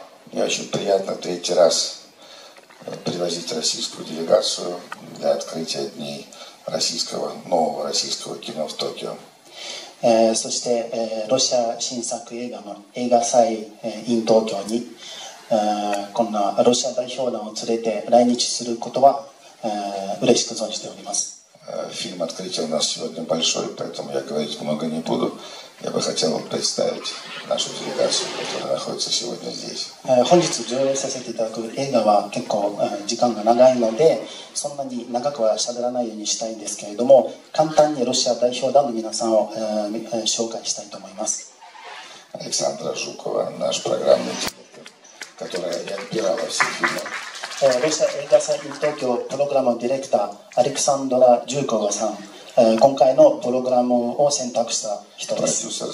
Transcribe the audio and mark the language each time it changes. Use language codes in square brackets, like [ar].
[ru] Мне очень приятно третий раз привозить российскую делегацию для открытия дней российского, нового российского кино в Токио. [ja] そして、ロシア新作映画の映画祭 in 東京に、こんなロシア代表団を連れて来日することは、嬉しく存じております。 [ru] Фильм открытия у нас сегодня большой, поэтому я говорить много не буду. Я бы хотел вам представить нашу делегацию, которая находится сегодня здесь. [ja] 本日上映させていただく映画は結構時間が長いので、そんなに長くは喋らないようにしたいんですけれども、簡単にロシア代表団の皆さんを紹介したいと思います。 [ru] アレクサンドラ・ジュコワ、наш программный директор, которая отбирала все фильмы. [ja] ロシア映画祭 東京プログラムディレクターアレクサンドラ・ジュコワさん、今回のプログラムを選択した人です。